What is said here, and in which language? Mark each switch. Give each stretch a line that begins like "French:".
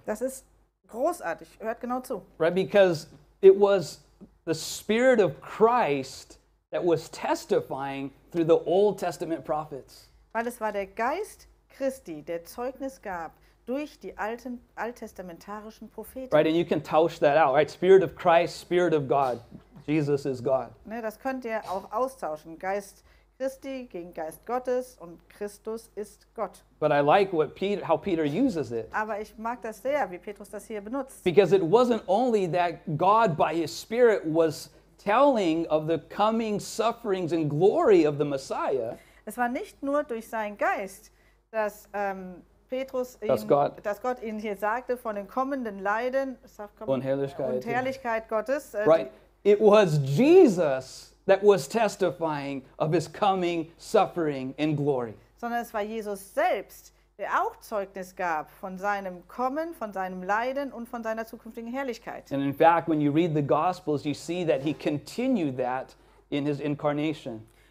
German: Das ist großartig, hört genau zu.
English: Right, because it was the Spirit of Christ that was testifying through the Old Testament prophets.
German: Weil es war der Geist Christi, der Zeugnis gab, durch die alten alttestamentarischen Propheten.
English: Right, and you can
German: tausch
English: that out, right? Spirit of Christ, Spirit of God. Jesus is God.
German: Ne, das könnt ihr auch austauschen. Geist Christi gegen Geist Gottes und Christus ist Gott.
English: But I like how Peter uses it.
German: Aber ich mag das sehr, wie Petrus das hier benutzt.
English: Because it wasn't only that God by his Spirit was telling of the coming sufferings and glory of the Messiah.
German: Es war nicht nur durch seinen Geist, dass Petrus ihm, dass Gott ihnen hier sagte von den kommenden Leiden und Herrlichkeit Gottes.
English: Right. It was Jesus that was testifying of his coming suffering and glory.
German: Sondern es war Jesus selbst, der auch Zeugnis gab von seinem Kommen, von seinem Leiden und von seiner zukünftigen Herrlichkeit.
English: And in fact, when you read the Gospels, you see that he continued that in his incarnation.